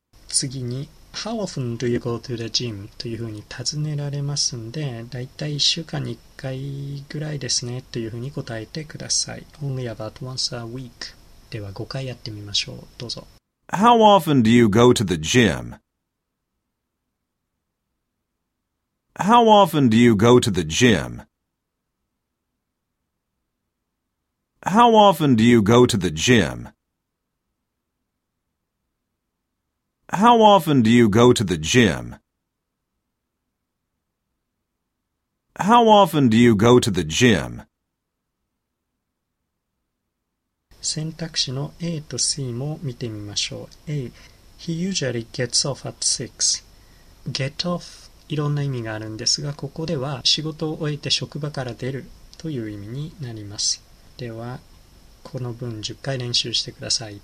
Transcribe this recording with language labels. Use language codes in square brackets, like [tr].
[ja] 次に [en] How often do you go to the gym? [ja] というふうに尋ねられますんで、だいたい1週間に1回ぐらいですねというふうに答えてください。 [en] Only about once a week. [ja] では5回やってみましょう。どうぞ。 [en] How often do you go to the gym? How often do you go to the gym? How often do you go to the gym? How often do you go to the gym? How often do you go to the gym? [ja] 選択肢の A と C も見てみましょう。 [en] A. He usually gets off at 6. [ja] Get off いろんな意味があるんですが、ここでは仕事を終えて職場から出るという意味になります。ではこの文10回練習してください。